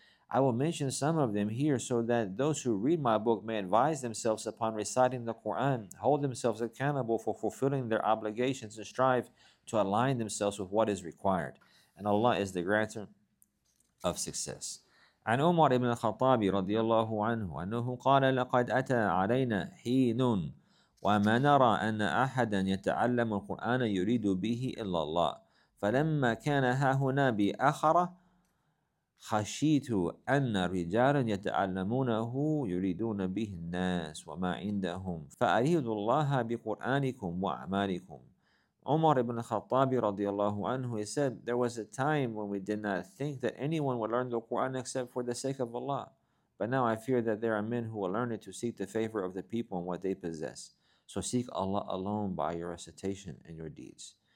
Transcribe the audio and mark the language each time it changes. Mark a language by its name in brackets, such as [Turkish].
[English] I will mention some of them here so that those who read my book may advise themselves upon reciting the Quran, hold themselves accountable for fulfilling their obligations, and strive to align themselves with what is required. And Allah is the grantor of success. [Arabic] عن عمر بن الخطاب رضي الله عنه أنه قال لقد أتى علينا حين وما نرى أن أحدا يتعلم القرآن يريد به إلا الله فلما كان هاهنا بآخرة خشيت أن رجالا يتعلمونه يريدون به الناس وما عندهم فأريد الله بقرآنكم وأعمالكم. [English] Umar ibn al-Khattab [Arabic] radiyallahu anhu, [English] he said, there was a time when we did not think that anyone would learn the Qur'an except for the sake of Allah. But now I fear that there are men who will learn it to seek the favor of the people and what they possess. So seek Allah alone by your recitation and your deeds.